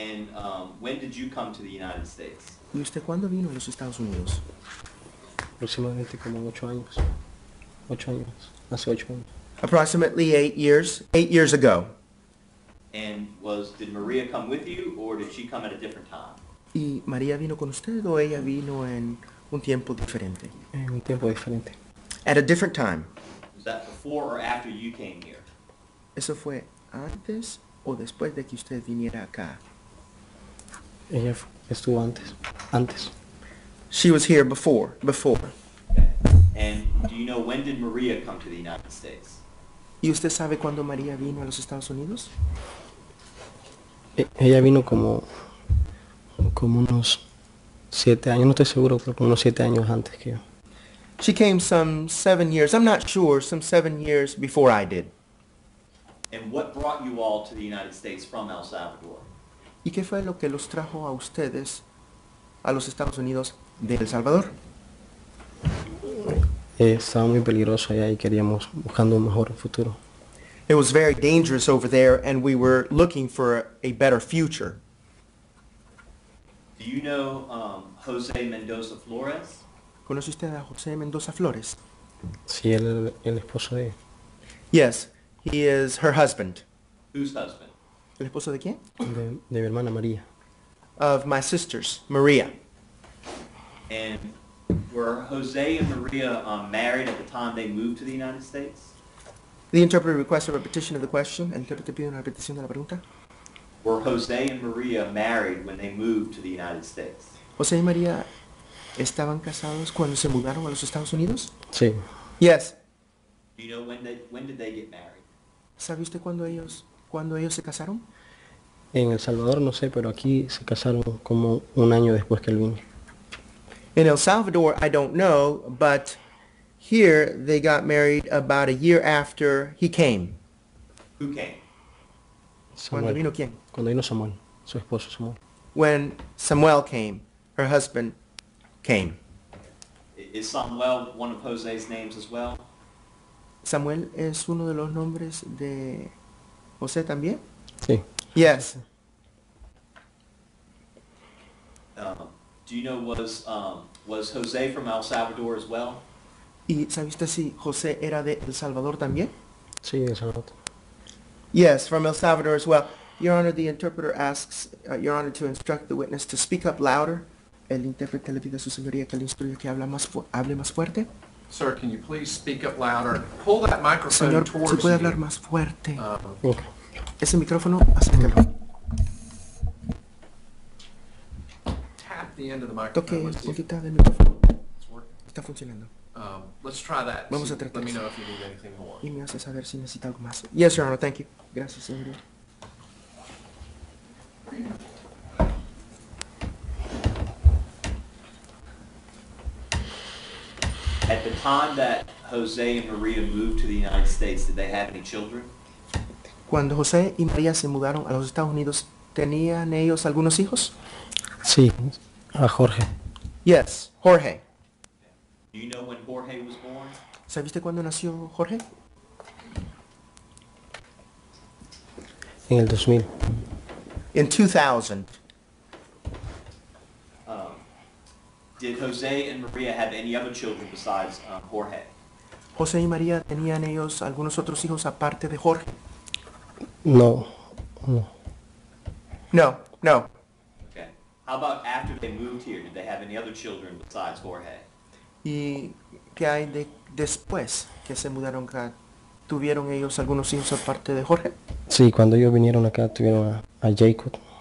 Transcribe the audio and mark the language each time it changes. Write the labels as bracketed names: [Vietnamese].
[English] And when did you come to the United States? [Spanish] ¿Y usted cuándo vino a los Estados Unidos? Aproximadamente como 8 años. 8 años. Hace 8 años. [English] Approximately 8 years. 8 years ago. And did Maria come with you, or did she come at a different time? [Spanish] ¿Y María vino con usted o ella vino en un tiempo diferente? En un tiempo diferente. [English] At a different time. Was that before or after you came here? [Spanish] ¿Eso fue antes o después de que usted viniera acá? Ella estuvo antes. Antes. [English] She was here before. Before. Okay. And do you know when did Maria come to the United States? [Spanish] ¿Y usted sabe cuándo María vino a los Estados Unidos? Ella vino como unos 7 años, no estoy seguro, pero como unos 7 años antes que yo. [English] She came some 7 years, I'm not sure, some 7 years before I did. And what brought you all to the United States from El Salvador? [Spanish] ¿Y qué fue lo que los trajo a ustedes a los Estados Unidos de El Salvador? Estaba muy peligroso allá y queríamos buscando un mejor futuro. [English] It was very dangerous over there and we were looking for a better future. Do you know José Mendoza Flores? [Spanish] ¿Conoce usted a José Mendoza Flores? Sí, él es el esposo de ella. [English] Yes, he is her husband. Whose husband? [Spanish] ¿El esposo de quién? De mi hermana María. [English] Of my sisters, Maria. And were Jose and Maria married at the time they moved to the United States? The interpreter requests a repetition of the question. [Spanish] El intérprete pide una repetición de la pregunta. [English] Were Jose and Maria married when they moved to the United States? [Spanish] ¿Jose y María estaban casados cuando se mudaron a los Estados Unidos? Sí. [English] Yes. Do you know when did they get married? [Spanish] ¿Sabe usted cuándo ellos se casaron? En El Salvador no sé, pero aquí se casaron como un año después que él vino. [English] In El Salvador, I don't know, but here they got married about a year after he came. Who came? [Spanish] Samuel. ¿Cuándo vino quién? Cuando vino Samuel, su esposo Samuel. [English] When Samuel came, her husband came. Is Samuel one of Jose's names as well? [Spanish] ¿Samuel es uno de los nombres de José también? Sí. [English] Yes. Do you know was Jose from El Salvador as well? [Spanish] ¿Y sabe usted si José era de El Salvador también? Sí, El Salvador. [English] Yes, from El Salvador as well. Your Honor, the interpreter asks Your Honor to instruct the witness to speak up louder. [Spanish] El intérprete le pide a su señoría que le instruya que hable más fuerte. [English] Sir, can you please speak up louder? Pull that microphone [Spanish] Señor, [English] towards you. [Spanish] Señor, ¿se puede hablar más fuerte? Ese micrófono, acércalo. [English] the end of the microphone. [Spanish] Toque un poquito del micrófono. Está funcionando. [English] Let's try that. [Spanish] Vamos a tratar. [English] Let me know if you need anything more. [Spanish] Y me hace saber si necesita algo más. [English] Yes, Your Honor. Thank you. [Spanish] Gracias, señor. [English] At the time that Jose and Maria moved to the United States, did they have any children? [Spanish] Cuando José y María se mudaron a los Estados Unidos, ¿tenían ellos algunos hijos? Sí, a Jorge. [English] Yes, Jorge. Do you know when Jorge was born? [Spanish] ¿Sabiste cuándo nació Jorge? En el 2000. [English] In 2000. Did Jose and Maria have any other children besides Jorge? [Spanish] José y María, ¿tenían ellos algunos otros hijos aparte de Jorge? No. [English] No. No. Okay. How about after they moved here? Did they have any other children besides Jorge? [Spanish] ¿Y qué hay de después que se mudaron acá? ¿Tuvieron ellos algunos hijos aparte de Jorge? Sí, cuando ellos vinieron acá tuvieron a Jacob.